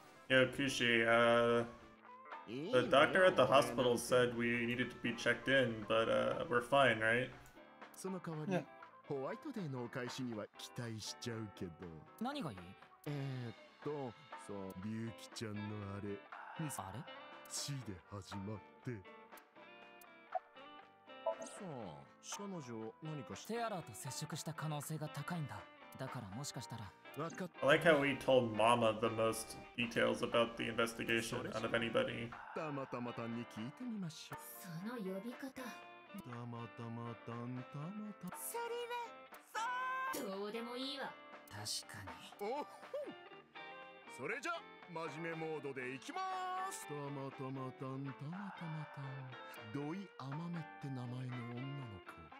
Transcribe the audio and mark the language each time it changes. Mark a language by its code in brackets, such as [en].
[en] Yo, Kushi, the doctor at the hospital said we needed to be checked in, but we're fine, right? [ja] その代わり、ホワイトデーのお返しには期待しちゃうけど。何がいい？そう、リュウキちゃんのあれ。あれ？地で始まって。さあ、彼女何かしてテアラーと接触した可能性が高いんだ。だからもしかしたら。わかった [en] 。I like how we told Mama the most details about the investigation out of anybody. [ja] たまたまたんに聞いてみましょう。その呼び方。たまたまたんたまた。それは、そう。どうでもいいわ。確かに。おっ、それじゃ真面目モードでいきまーす。たまたまたんたまたまたん、土井甘めって名前の女の子。